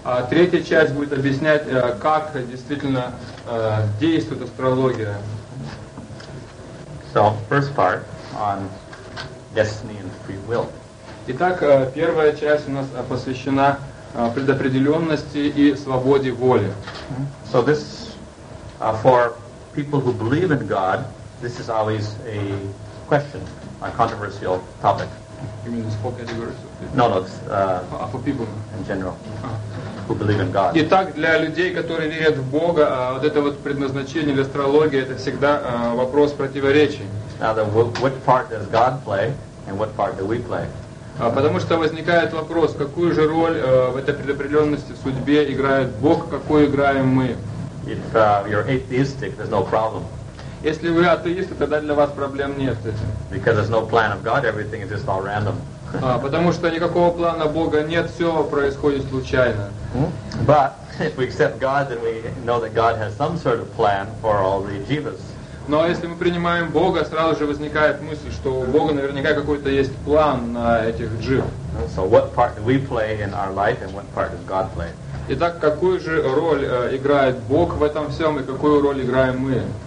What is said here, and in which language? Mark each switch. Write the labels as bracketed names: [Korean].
[Russian] Третья часть будет объяснять, как действительно действует астрология. [English] So, first part on destiny and free will. [Russian] Итак, первая часть у нас посвящена предопределенности и свободе воли. [English] So this, for people who believe in God, this is always a question, a controversial topic. You mean this four categories? No, for people in general. Who believe in God. [Russian] Итак, для людей, которые верят в Бога, вот это вот предназначение или астрология, это всегда вопрос противоречий. [English] Now, what part does God play, and what part do we play? [Russian] Потому что возникает вопрос, какую же роль в этой предопределенности в судьбе играет Бог, какую играем мы? [English] If you're atheistic, there's no problem. [Russian] Если вы атеисты, тогда для вас проблем нет. [English] Because there's no plan of God, everything is just all random. [Russian] Потому что никакого плана Бога нет, все происходит случайно. [English] But if we accept God, then we know that God has some sort of plan for all the jivas. [Russian] Но если мы принимаем Бога, сразу же возникает мысль, что у Бога наверняка какой-то есть план на этих джив. [English] So what part do we play in our life, and what part does God play? [Russian] Итак, какую же роль играет Бог в этом всем, и какую роль играем мы?